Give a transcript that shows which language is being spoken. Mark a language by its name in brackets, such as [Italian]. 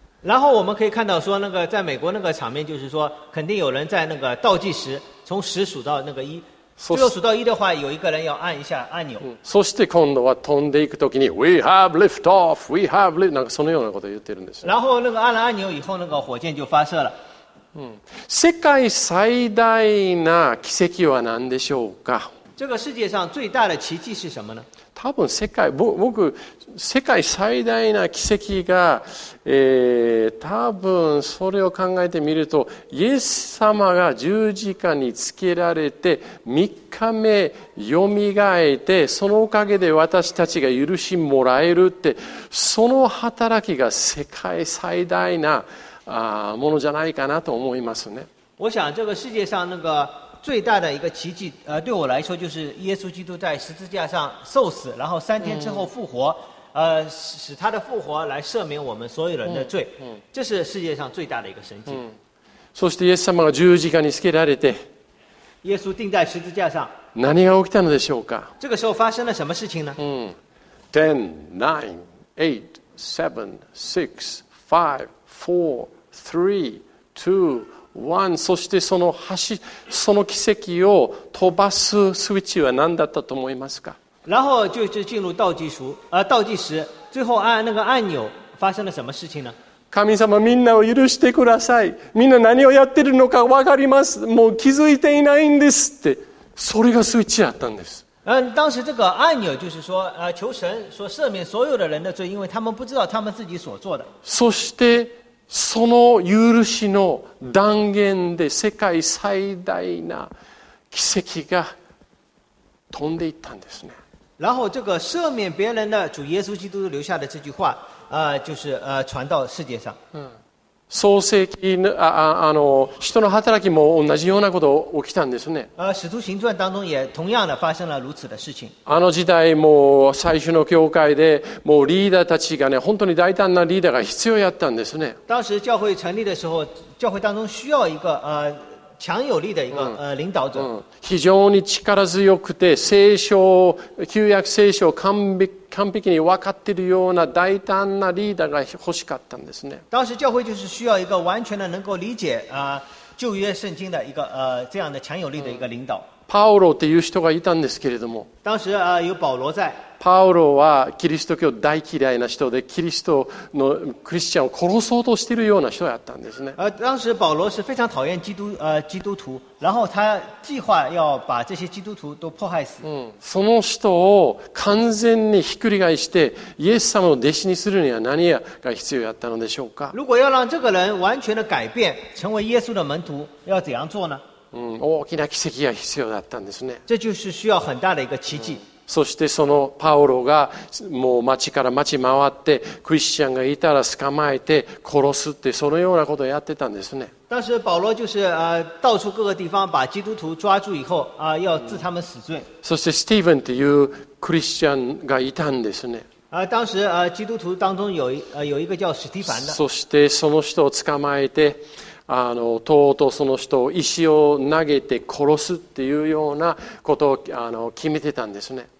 [Chinese] 然后我们可以看到说那个在美国那个场面，就是说肯定有人在那个倒计时，从十数到那个一，最后数到一的话，有一个人要按一下按钮。 [Japanese] そして今度は飛んでいくときに、 [English] We have lift off, we have lift, [Japanese] なんかそのようなことを言ってるんです。 [Chinese] 然后那个按了按钮以后，那个火箭就发射了。 [Japanese] 世界最大な奇跡は何でしょうか。 [Chinese] 这个世界上最大的奇迹是什么呢？ [Japanese] 多分世界僕世界最大な奇跡が、多分それを考えてみると、イエス様が十字架につけられて3日目よみがえて、そのおかげで私たちが許しもらえるって、その働きが世界最大なものじゃないかなと思いますね。 [Chinese] 我想这个世界上那个最大的一个奇迹，对我来说就是耶稣基督在十字架上受死，然后三天之后复活，使他的复活来赦免我们所有人的罪，这是世界上最大的一个神迹。 [Japanese] そしてイエス様が十字架につけられて、 [Chinese] 耶稣钉在十字架上， [Japanese] 何が起きたのでしょうか？ [Chinese] 这个时候发生了什么事情呢？ [Japanese] 10, 9, 8, 7, 6, 5, 4, 3, 2. 1、そしてその橋、その奇跡を飛ばすスイッチは何だったと思いますか？ [Chinese] 然后就进入倒计时、倒计时、最后按那个按钮发生了什么事情呢？ [Japanese] 神様、みんなを許してください。みんな何をやってるのか分かります。もう気づいていないんですって、それがスイッチだったんです。 [Chinese] 当时这个按钮就是说、求神说赦免所有的人的罪、因为他们不知道他们自己所做的。 [Japanese] そしてその許しの断言で世界最大な奇跡が飛んでいったんですね。 [Chinese] 然后这个赦免别人的主耶稣基督留下的这句话、就是、传到世界上。 [Japanese] 創世記の、人の働きも同じようなことが起きたんですね。 [Chinese] 使徒行传当中也同样的发生了如此的事情。 [Japanese] あの時代も最初の教会でもうリーダーたちがね、本当に大胆なリーダーが必要やったんですね。 [Chinese] 当时教会成立的时候、教会当中需要一个、强有力的一个、领导者。 [Japanese] 非常に力強くて、聖書、旧約聖書を完璧に分かっているような大胆なリーダーが欲しかったんですね。 [Chinese] 当时教会就是需要一个完全的能够理解、旧约圣经的一个、这样的强有力的一个领导。 [Japanese] パウロっていう人がいたんですけれども。 [Chinese] 当时、有保罗在。 [Japanese] パウロはキリスト教大嫌いな人で、キリストのクリスチャンを殺そうとしているような人だったんですね。 [Chinese] 当时保罗是非常讨厌基督徒、然后他计划要把这些基督徒都迫害死。 [Japanese] その人を完全にひっくり返して、イエス様を弟子にするには何が必要だったのでしょうか？ [Chinese] 如果要让这个人完全的改变、成为耶稣的门徒、要怎样做呢？ [Japanese] 大きな奇跡が必要だったんですね。 [Chinese] 这就是需要很大的一个奇迹。 [Japanese] そしてそのパウロがもう町から町回ってクリスチャンがいたら捕まえて殺すって、そのようなことをやってたんですね。 [Chinese] 当时保罗就是、到处各个地方把基督徒抓住以后、要治他们死罪。 [Japanese] そしてスティーブンというクリスチャンがいたんですね。 [Chinese] 当时、基督徒当中 有一个叫史蒂凡的。 [Japanese] そしてその人を捕まえて、とうとうその人を石を投げて殺すっていうようなことを決めてたんですね。